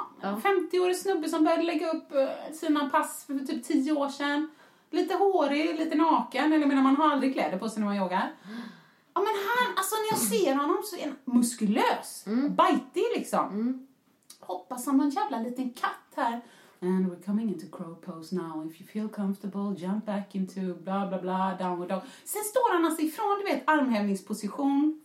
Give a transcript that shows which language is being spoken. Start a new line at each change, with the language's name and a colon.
Swedish: Ja, en 50-årig snubbe som började lägga upp sina pass för typ 10 år sedan. Lite hårig, lite naken. Eller menar, man har aldrig kläder på sig när man yogar. Ja, men han, alltså när jag ser honom så är han muskulös. Mm. Bajtig liksom. Mm. Hoppas han har en jävla liten katt här.
English: And we're coming into crow pose now. If you feel comfortable, jump back into blah, blah, blah, downward dog.
Swedish: Sen står han alltså ifrån, du vet, armhävningsposition.